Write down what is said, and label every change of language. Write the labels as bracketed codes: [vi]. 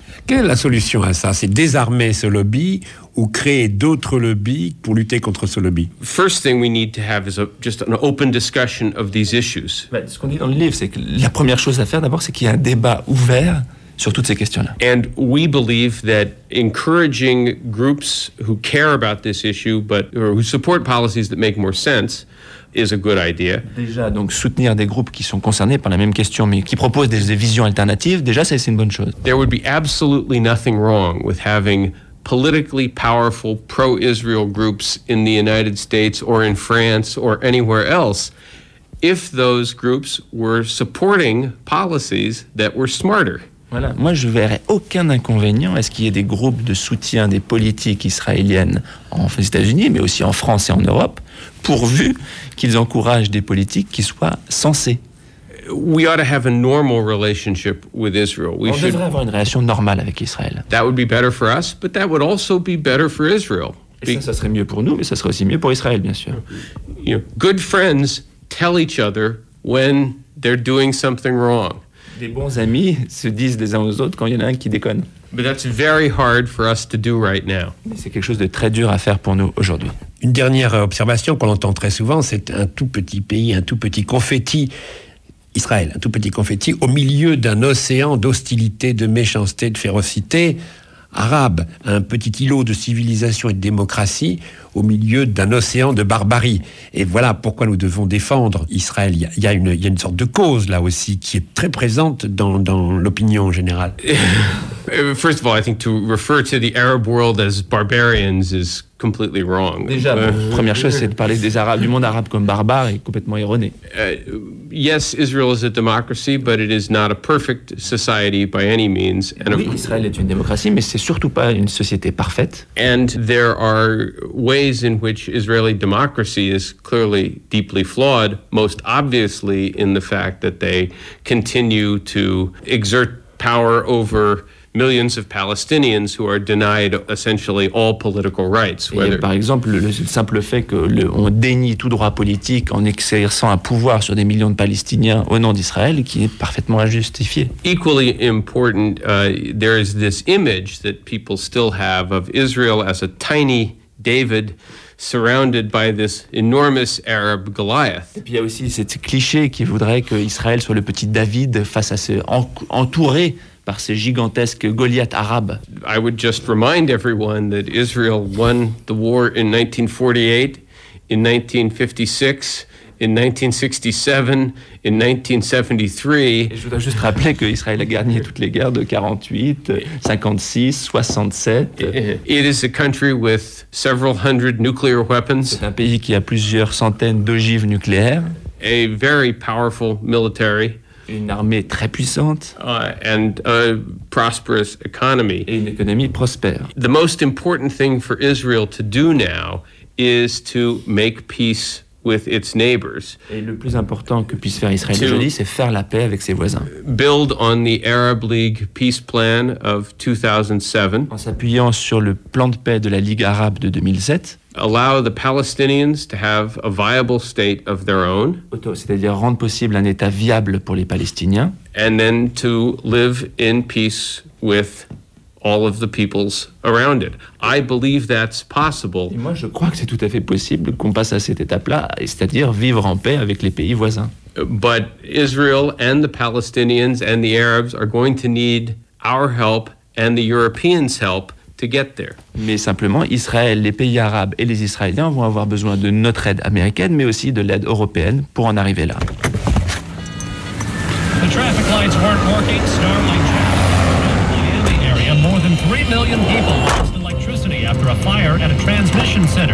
[fr] Quelle est la solution à ça? C'est désarmer ce lobby ou créer d'autres lobbies pour lutter contre ce lobby? [en] First thing we need to have is just an open discussion of these issues. [fr] Ce qu'on dit dans le livre, c'est que la première chose à faire d'abord, c'est qu'il y ait un débat ouvert sur toutes ces questions-là. [en] And we believe that encouraging groups who care about this issue but or who support policies that make more sense is a good idea. [fr] Déjà, donc soutenir des groupes qui sont concernés par la même question mais qui proposent des visions alternatives, déjà ça c'est une bonne chose. [en] There would be absolutely nothing wrong with having politically powerful pro-Israel groups in the United States or in France or anywhere else if those groups were supporting policies that were smarter. [fr] Voilà. Moi, je ne verrais aucun inconvénient à ce qu'il y ait des groupes de soutien des politiques israéliennes aux États-Unis, mais aussi en France et en Europe, pourvu qu'ils encouragent des politiques qui soient sensées. [en] We ought to have a normal relationship with Israel. [fr] On devrait avoir une relation normale avec Israël. [en] That would be better for us, but that would also be better for Israel. [fr] Ça serait mieux pour nous, mais ça serait aussi mieux pour Israël, bien sûr. [en] You know, good friends tell each other when they're doing something wrong. [fr] Des bons amis se disent les uns aux autres quand il y en a un qui déconne. [en] But that's very hard for us to do right now. [fr] Mais c'est quelque chose de très dur à faire pour nous aujourd'hui. Une dernière observation qu'on entend très souvent, c'est un tout petit pays, un tout petit confetti, Israël, un tout petit confetti, au milieu d'un océan d'hostilité, de méchanceté, de férocité arabe, un petit îlot de civilisation et de démocratie au milieu d'un océan de barbarie. Et voilà pourquoi nous devons défendre Israël. Il y a une sorte de cause là aussi qui est très présente dans l'opinion générale. [en] First of all, I think to refer to the Arab world as barbarians is completely wrong. [fr] Déjà, première chose, c'est de parler des Arabes, du monde arabe comme barbare est complètement erroné. [en] Yes, Israel is a democracy, but it is not a perfect society by any means. [fr] And oui, Israël est une démocratie, mais c'est surtout pas une société parfaite. [en] And there are ways in which Israeli democracy is clearly deeply flawed, most obviously in the fact that they continue to exert power over millions of Palestinians who are denied essentially all political rights. Whether... [fr] Et par exemple, le simple fait qu'on dénie tout droit politique en exerçant un pouvoir sur des millions de Palestiniens au nom d'Israël, qui est parfaitement injustifié. [en] Equally important, there is this image that people still have of Israel as a tiny David surrounded by this enormous Arab Goliath. [fr] Et puis il y a aussi cette cliché qui voudrait qu'Israël soit le petit David face à ce entouré par ces gigantesques Goliaths arabes. [en] I would just remind everyone that Israel won the war in 1948, in 1956, in 1967, in 1973. [fr] Et je voudrais juste rappeler que Israël a gagné toutes les guerres de 48, 56, 67. [en] It is a country with several hundred nuclear weapons. [fr] C'est un pays qui a plusieurs centaines d'ogives nucléaires. [en] A very powerful military. [fr] Une armée très puissante. [en] And a prosperous economy. [fr] Et une économie prospère. [en] The most important thing for Israel to do now is to make peace with its neighbors. [fr] Et le plus important que puisse faire Israël aujourd'hui, c'est faire la paix avec ses voisins. [en] Build on the Arab League peace plan of 2007. [fr] En s'appuyant sur le plan de paix de la Ligue arabe de 2007. [en] Allow the Palestinians to have a viable state of their own. [fr] C'est-à-dire rendre possible un état viable pour les Palestiniens. [en] And then to live in peace with all of the peoples around it. I believe that's possible. [fr] Et moi, je crois que c'est tout à fait possible qu'on passe à cette étape-là, c'est-à-dire vivre en paix avec les pays voisins. [en] But Israel and the Palestinians and the Arabs are going to need our help and the Europeans' help to get there. [fr] Mais simplement, Israël, les pays arabes et les Israéliens vont avoir besoin de notre aide américaine, mais aussi de l'aide européenne pour en arriver là. [en] The traffic lights weren't working. Starlink jammed. In the area, more than 3 million people lost electricity after a fire at a transmission center.